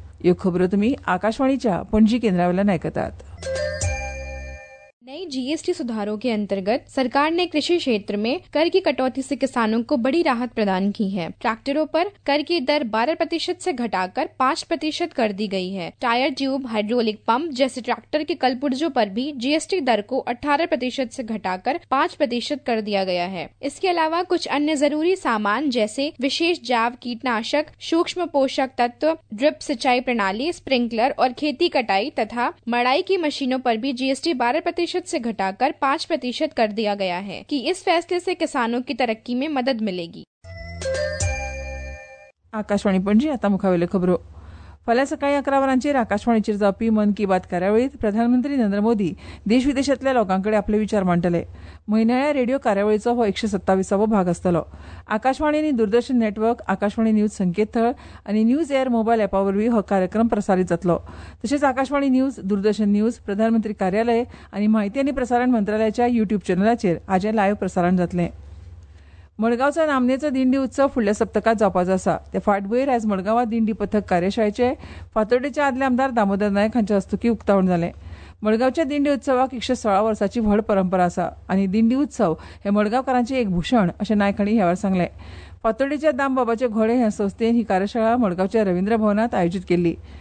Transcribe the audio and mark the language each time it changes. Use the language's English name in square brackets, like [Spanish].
[Konkani] ह्यो खबरो तुम्ही आकाशवाणीच्या पणजी केंद्रावेळा ऐकतात. [Hindi] नई जीएसटी सुधारों के अंतर्गत सरकार ने कृषि क्षेत्र में कर की कटौती से किसानों को बड़ी राहत प्रदान की है. ट्रैक्टरों पर कर की दर 12% से घटाकर 5% कर दी गई है. टायर ट्यूब, हाइड्रोलिक पंप जैसे ट्रैक्टर के कलपुर्जों पर भी जीएसटी दर को 18% से घटाकर 5% कर दिया गया है. इसके अलावा कुछ अन्य जरूरी सामान जैसे विशेष जैव कीटनाशक, सूक्ष्म पोषक तत्व, ड्रिप सिंचाई प्रणाली, स्प्रिंकलर और खेती कटाई तथा मड़ाई की मशीनों पर भी जीएसटी 12% से घटाकर 5% कर दिया गया है कि इस फैसले से किसानों की तरक्की में मदद मिलेगी. [Konkani] आकाशवाणी पणजी आता मुखावेले खबरो. फाल्यां सकाळी 11 वरांचेर आकाशवाणीचेर जावपी मन की बात कार्यावळीत प्रधानमंत्री नरेंद्र मोदी देश विदेशातल्या लोकांकडे आपले विचार मांडतले. म्हयन्याळ्या रेडिओ कार्यावळीचो हो 127वो भाग असतलो. आकाशवाणी आणि दूरदर्शन नेटवर्क, आकाशवाणी न्यूज संकेतस्थळ आणि न्यूज एअर मोबाईल ॲपावरही हा कार्यक्रम प्रसारित जातो. तसेच आकाशवाणी न्यूज, दूरदर्शन न्यूज, प्रधानमंत्री कार्यालय आणि माहिती आणि प्रसारण मंत्रालयाच्या युट्यूब चॅनलाचेर आजे लाईव्ह प्रसारण जातले. मडगावचा नामनेचा दिंडी उत्सव फुडल्या सप्तकात जावपाचो आसा. ते फाटभुंयेर आज मडगावा दिंडी पथक कार्यशाळेचे फातोडेचे आदले आमदार दामोदर नायक हांच्या हस्तुकी उक्तावण जाले. मडगावच्या दिंडी उत्सवाक 116 वर्सांची व्हड परंपरा आसा आणि दिंडी उत्सव हे मडगावकरांचे एक भूषण असे नायक हांणी ह्या वेळार सांगले. फातोडेच्या दामबाबाचे घोडे ह्या संस्थेन ही कार्यशाळा मडगावच्या रवींद्र भवनात आयोजित केली.